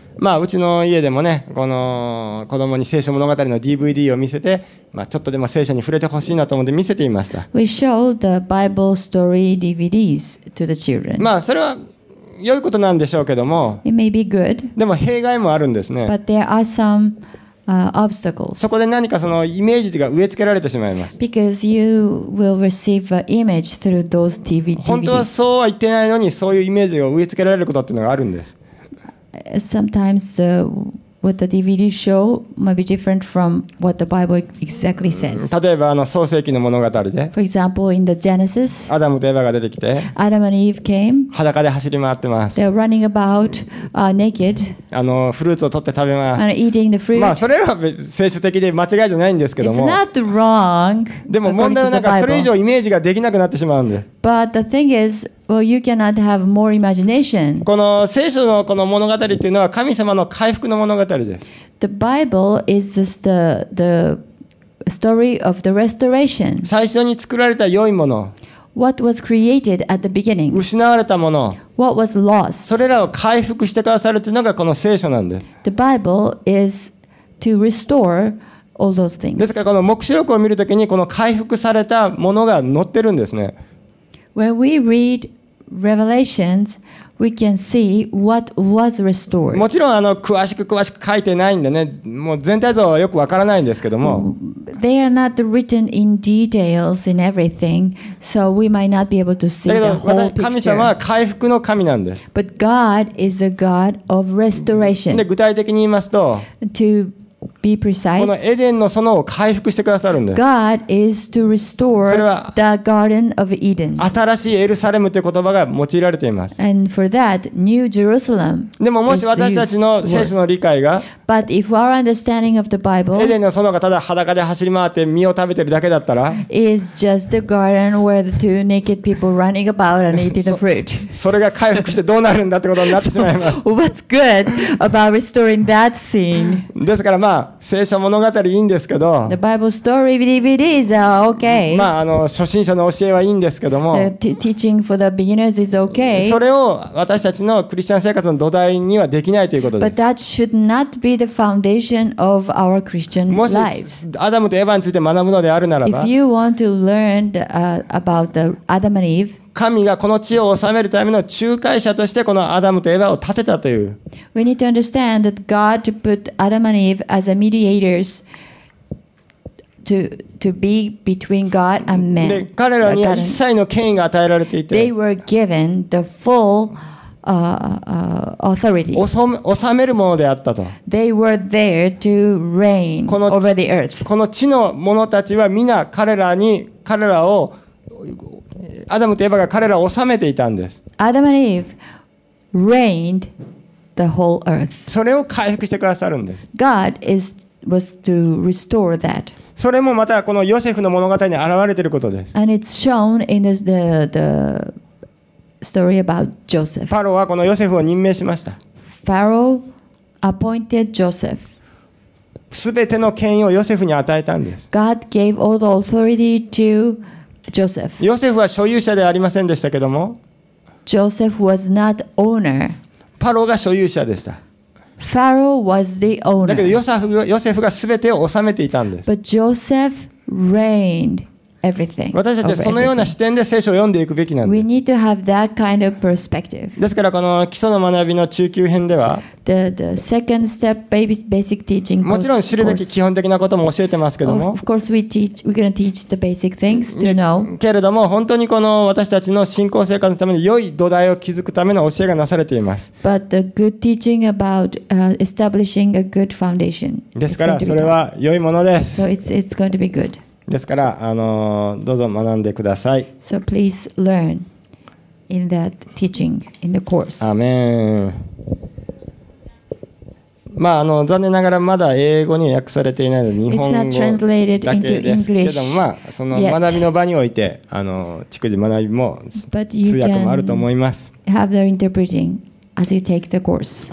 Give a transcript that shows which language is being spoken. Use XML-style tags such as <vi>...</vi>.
<ja>まあうちの家でもねこの子供に聖書物語の DVD を見せて、まあ、ちょっとでも聖書に触れてほしいなと思って見せていました。</ja> <en>We showed the Bible story DVDs to the children.</en> <ja>まあそれは良いことなんでしょうけども、</ja> <en>It may be good.</en> <ja>でも弊害もあるんですね。</ja> <en>But there are some, obstacles.</en> <ja>そこで何かそのイメージが植え付けられてしまいます。</ja> <en>Because you will receive an image through those DVDs.</en> <ja>本当はそうは言ってないのにそういうイメージを植え付けられることっていうのがあるんです。</ja> <en>Sometimes, what the DVD show might be different from what the Bible exactly says.</en> <ja>例えばあの創世記の物語で、</ja> <en>For example, in the Genesis,</en> <ja>アダムとエヴァが出てきて、</ja> <en>Adam and Eve came.</en> <ja>裸で走り回ってます。</ja> <en>They're running about, naked.</en> <ja>あのフルーツを取って食べます。</ja> <en>And eating the fruit.</en> <ja>まあそれは聖書的で間違いじゃないんですけども、</ja> <en>It's not wrong.</en> <ja>でも問題はなんかそれ以上イメージができなくなってしまうんで。</ja> <en>But the thing is. Well, you cannot have more imagination.</en> <ja>この聖書のこの物語っていうのは神様の回復の物語です。</ja> <en>The Bible is just the story of the restoration.</en> <ja>最初に作られた良いもの。</ja> <en>What was created at the beginning?</en> <ja>失われたもの。</ja> <en>What was lost?</en> <ja>それらを回復してくださるというのがこの聖書なんです。</ja> <en>The Bible is to restore all those things.</en> <ja>ですからこの黙示録を見るときにこの回復されたものが載ってるんですね。</ja> <en>When we read Revelations, we can see what was restored.</en> <ja>もちろんあの詳しく詳しく書いてないんでね、もう全体像はよくわからないんですけども。</ja> <en>They are not written in details in everything, so we might not be able to see the whole picture.</en> <ja>神様は回復の神なんです。</ja> <en>But God is a God of restoration.</en> <ja>で具体的に言いますと、</ja> <en>To be precise,</en> <ja>このエデンの園を回復してくださるんです。</ja> <en>God is to restore the Garden of Eden.</en> <ja>新しいエルサレムという言葉が用いられています。</ja> <en>And for that, New Jerusalem.</en> <ja>でももし私たちの聖書の理解が、</ja> <en>But if our understanding of the Bible,</en> <ja>エデンの園がただ裸で走り回って実を食べてるだけだったら、</ja> <en>is just the garden where the two naked people running about and eating the fruit.</en> <ja>それが回復してどうなるんだってことになってしまいます。</ja> <en>So, what's good about restoring that scene?</en> <ja>ですから。まあ、聖書物語いいんですけど、</ja> <en>The Bible story DVDs are okay.</en> <ja>まあ、あの初心者の教えはいいんですけども、</ja> <en>teaching for the beginners is okay.</en> <ja>それを私たちのクリスチャン生活の土台にはできないということです。</ja> <en>But that should not be the foundation of our Christian lives.</en> <ja>もしアダムとエヴァについて学ぶのであるならば、</ja> <en>If you want to learn about Adam and Eve,</en> <ja>神がこの地を治めるための仲介者としてこのアダムとエヴァを立てたという。</ja> <en>We need to understand that God put Adam and Eve as a mediators to be between God and men.</en> <ja>で、彼らには一切の権威が与えられていて、</ja> <en>They were given the full authority.</en> <ja>治めるものであったと。</ja> <en>They were there to reign over the earth.</en> <ja>この地の者たちは皆彼らに彼らをアダムとエヴァが彼らを治めていたんです。</ja> <en>Adam and Eve reigned. The whole earth.</en> <ja>それを回復してくださるんです。</ja> <en>God was to restore that.</en> <ja>それもまたこのヨセフの物語に現れていることです。</ja> <en>And it's shown in the story about Joseph.</en> <ja>ファローはこのヨセフを任命しました。</ja> <en>Pharaoh appointed Joseph.</en> <ja>すべての権威をヨセフに与えたんです。</ja> <en>God gave all the authority to Joseph.</en> <ja>ヨセフは所有者ではありませんでしたけども。</ja> <en>Joseph was not owner.</en> <ja>パロが所有者でした。</ja> <en>Pharaoh was the owner.</en> <ja>だけどヨセフがすべてを治めていたんです。</ja> <en>But Joseph reigned everything.</en> <ja>私たちはそのような視点で聖書を読んでいくべきなんです。</ja> <en>We need to have that kind of perspective.</en> <ja>ですからこの基礎の学びの中級編では、</ja> <en>the second step basic teaching</en> <ja>course, もちろん知るべき基本的なことも教えてますけども、</ja> <en>of course we're gonna teach the basic things to know.</en> <ja>けれども本当にこの私たちの信仰生活のために良い土台を築くための教えがなされています。</ja> <en>But the good teaching about establishing a good foundation.</en> <ja>ですからそれは良いものです。</ja> <en>So it's going to be good.</en> <ja>ですからどうぞ学んでください。</ja> <en>So please learn in that teaching in the course.</en> <ja>アメン。まあ残念ながらまだ英語に訳されていないので日本語だけですけれども、まあその学びの場において逐次学びも通訳もあると思います。</ja> <en>But you can have their interpreting as you take the course.</en>